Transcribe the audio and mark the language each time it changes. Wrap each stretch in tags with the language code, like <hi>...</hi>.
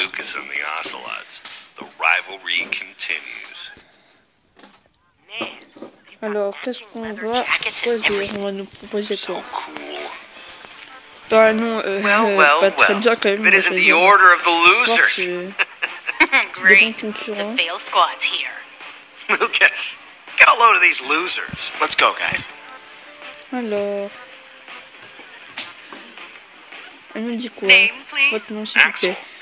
<en>Lucas and the Ocelots. The rivalry continues. Man,</en> <fr>Alors, qu'est-ce qu'on va proposer? On va nous proposer quoi? Bah non, pas très bien quand même. Mais c'est l'ordre des losers.</fr> <en>Great, the fail squad's here. Lucas, get a load of these losers. Let's go, guys.</en> <fr>Alors, elle nous dit quoi? Votre nom, s'il vous plaît.</fr>